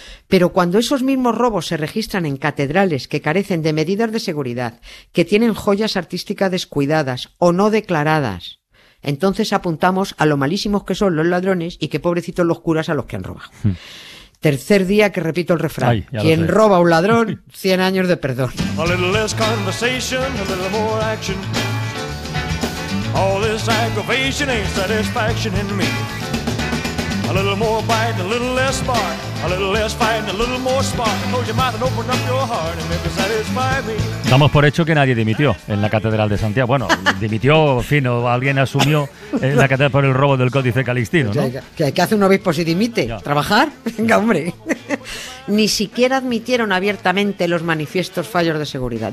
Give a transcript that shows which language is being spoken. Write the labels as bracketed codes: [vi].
[es] Pero cuando esos mismos robos se registran en catedrales que carecen de medidas de seguridad, que tienen joyas artísticas descuidadas o no declaradas, entonces apuntamos a lo malísimos que son los ladrones y qué pobrecitos los curas a los que han robado. Tercer día que repito el refrán. Ay, quien roba a un ladrón, 100 años de perdón. [en] A little less conversation, a little more action. All this aggravation ain't satisfaction in me. A little more bite, a little less spark. A little less fight, a little more spark. Close your mouth and open up your heart and maybe satisfy me. [es] Damos por hecho que nadie dimitió en la Catedral de Santiago. Bueno, dimitió, en fin, o alguien asumió la catedral por el robo del Códice Calistino, ¿no? ¿Qué hace un obispo si dimite? ¿Trabajar? Venga, hombre. Ni siquiera admitieron abiertamente los manifiestos fallos de seguridad.